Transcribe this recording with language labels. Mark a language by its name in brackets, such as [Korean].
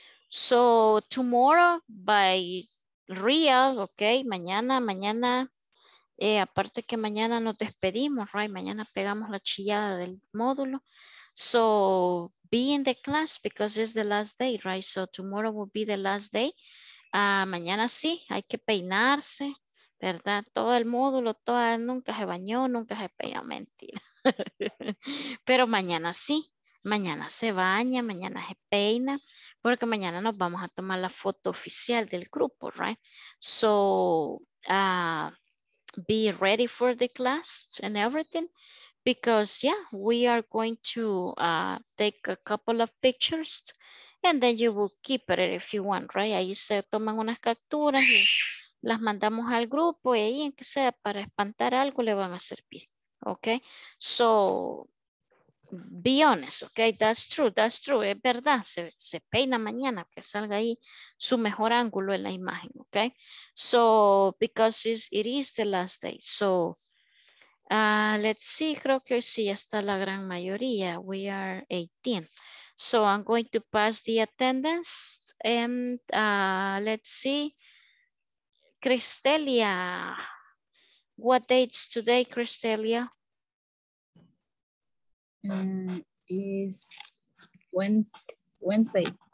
[English] So tomorrow by real, [Spanish] okay, mañana, aparte que mañana nos despedimos, right, mañana pegamos la chillada del módulo. [English] So be in the class because it's the last day, right? So tomorrow will be the last day. [Spanish] Mañana sí, hay que peinarse, ¿verdad? Todo el módulo, nunca se bañó, nunca se peinó, mentira. Pero mañana sí, mañana se baña, mañana se peina, porque mañana nos vamos a tomar la foto oficial del grupo, right? [English] So be ready for the class and everything. Because, yeah, we are going to take a couple of pictures and then you will keep it if you want, right? [Spanish] Ahí se toman unas capturas y las mandamos al grupo y ahí, en que sea, para espantar algo le van a servir, okay? [English] So, be honest, okay? That's true. [Spanish] Es verdad, se peina mañana que salga ahí su mejor ángulo en la imagen, okay? [English] So, because it is the last day, so... let's see, [Spanish] creo que hoy sí ya está la gran mayoría. [English] We are 18. So I'm going to pass the attendance and let's see. Cristelia, what date's today, Cristelia? Is Wednesday.